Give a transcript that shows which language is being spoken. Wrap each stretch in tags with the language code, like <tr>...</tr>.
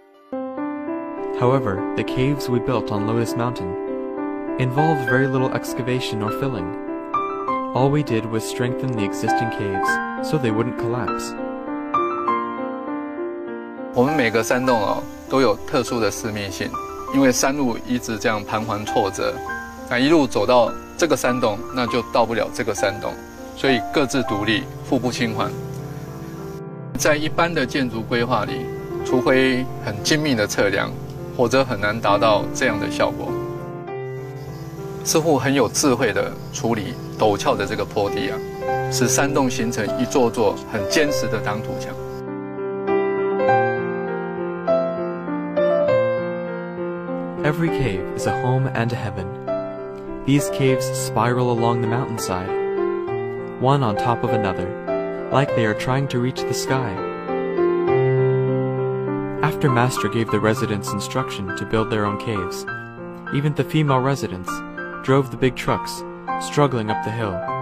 <en>However, the caves we built on Lotus Mountain involved very little excavation or filling. All we did was strengthen the existing caves so they wouldn't collapse.</en> <zh>我们每个山洞哦都有特殊的私密性，因为山路一直这样盘桓挫折，那一路走到这个山洞，那就到不了这个山洞，所以各自独立，互不侵犯。在一般的建筑规划里，除非很精密的测量，否则很难达到这样的效果。师傅很有智慧的处理陡峭的这个坡地啊，使山洞形成一座座很坚实的挡土墙。</zh> <en>Every cave is a home and a heaven. These caves spiral along the mountainside, one on top of another, like they are trying to reach the sky. After Master gave the residents instruction to build their own caves, even the female residents drove the big trucks, struggling up the hill.</en>